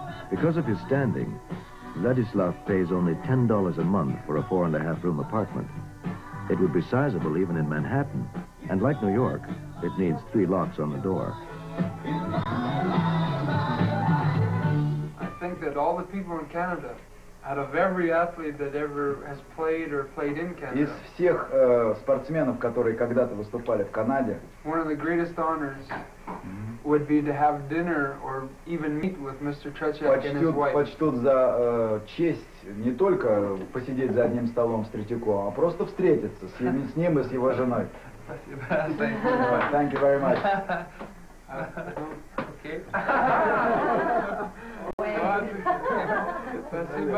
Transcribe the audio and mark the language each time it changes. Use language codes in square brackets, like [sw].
[en] Because of his standing, Vladislav pays only $10 a month for a 4.5-room apartment. It would be sizable even in Manhattan, and like New York, it needs 3 locks on the door. I think that all the people in Canada, out of every athlete that ever has played or played in Canada. [ru] Из всех спортсменов, которые когда-то выступали в Канаде. [en] One of the greatest honors would be to have dinner or even meet with Mr. Tretiak and his wife. [ru] Почтут за честь не только посидеть за одним столом с Третьяком, а просто встретиться с ним и с его женой. Спасибо. [en] Thank you very much. [ru] Спасибо.